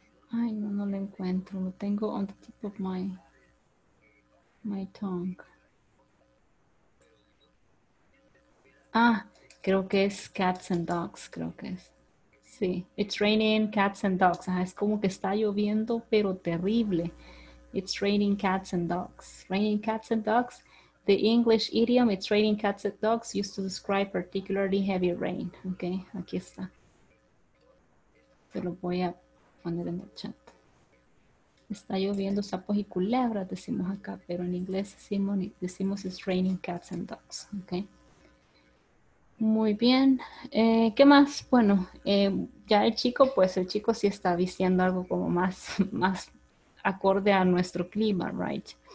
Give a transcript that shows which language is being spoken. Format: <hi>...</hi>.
<es>Ay, no, no lo encuentro. Lo tengo</es> <en>on the tip of my tongue.</en> <es>Ah, creo que es</es> <en>cats and dogs,</en> <es>creo que es. Sí,</es> <en>it's raining cats and dogs.</en> <es>Ajá, es como que está lloviendo, pero terrible.</es> <en>It's raining cats and dogs. Raining cats and dogs. The English idiom, it's raining cats and dogs, used to describe particularly heavy rain.</en> <es>Ok, aquí está. Te lo voy a poner en el chat. Está lloviendo sapos y culebras, decimos acá, pero en inglés decimos</es> <en>it's raining cats and dogs,</en> <es>¿ok? Muy bien. ¿Qué más? Bueno, ya el chico sí está vistiendo algo como más acorde a nuestro clima,</es> <en>right?</en>